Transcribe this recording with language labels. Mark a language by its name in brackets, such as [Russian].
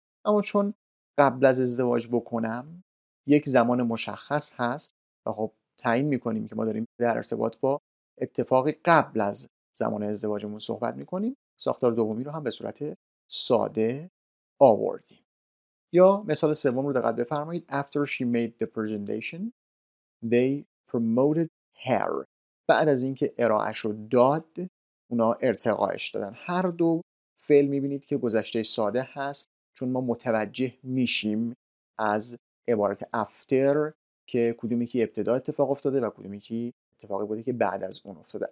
[Persian] اما چون قبل از ازدواج بکنم یک زمان مشخص هست و خب تعیین میکنیم که ما داریم در ارتباط با اتفاقی قبل از زمان ازدواجمون صحبت میکنیم، ساختار دومی رو هم به صورت ساده آوردیم. یا مثال سوم رو دقت بفرمایید. [English] After she made the presentation they promoted her. [Persian] بعد از اینکه ارائهش رو داد اونا ارتقایش دادن. هر دو فعل میبینید که گذشته ساده هست، چون ما متوجه میشیم از عبارت after که کدومی که ابتدا اتفاق افتاده و کدومی که اتفاقی بوده که بعد از اون افتاده.